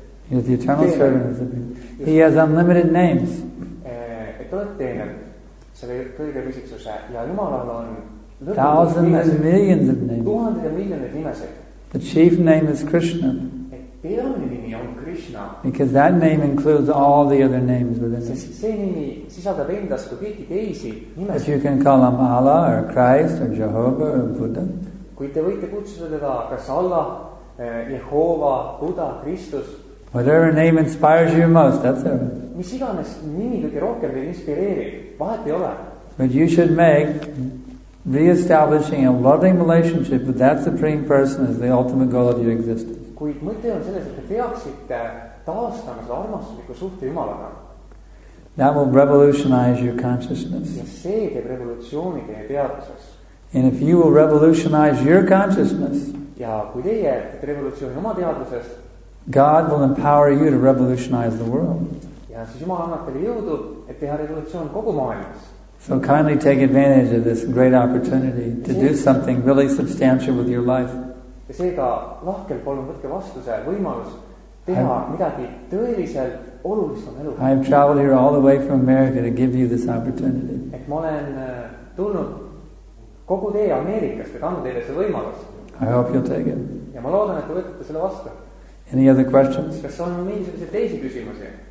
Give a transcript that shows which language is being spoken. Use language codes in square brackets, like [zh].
[en] You're the eternal servant of the supreme. He has unlimited names. [et] Et olete selle kõige visiksuse. Ja Jumalal on [en] thousands and millions of names. [et] Tuhanded ja miljonid nimesed. [en] The chief name is Krishna. [et] Et peamine nimi on Krishna. [en] Because that name includes all the other names within it. [et] See nimi sisaldab endas kui kõiki teisi nimesed. [en] As you can call him Allah or Christ or Jehovah or Buddha. [et] Kui te võite kutsuda teda kas Allah, Jehova, Buddha, Kristus. [en] Whatever name inspires you most, that's it. [et] Mis iganes nimi kõige rohkem teid inspireerib, vahet ei ole. [en] But you should make re-establishing a loving relationship with that Supreme Person as the ultimate goal of your existence. [et] Kuid mõte on selles, et te peaksite taastama seda armastusliku suhte Jumalaga. [en] That will revolutionize your consciousness. [et] Ja see teeb revolutsiooni teie teaduses. [en] And if you will revolutionize your consciousness, [et] ja kui teie teete revolutsiooni oma teaduses, [en] God will empower you to revolutionize the world. [et] Ja siis Jumal annab teile jõudu, et teha revolutsioon kogu maailmas. [en] So kindly take advantage of this great opportunity to do something really substantial with your life. [et] Ja seega lahkel palun võtke vastu see võimalus teha midagi tõeliselt olulist on elu. [en] I have traveled here all the way from America to give you this opportunity. [et] Et ma olen tulnud kogu tee Ameerikast, et anna teile see võimalus. [en] I hope you'll take it. [et] Ja ma loodan, et te võtate selle vastu. [en] Any other questions? [et] Kas on mingisugused teisi küsimusi?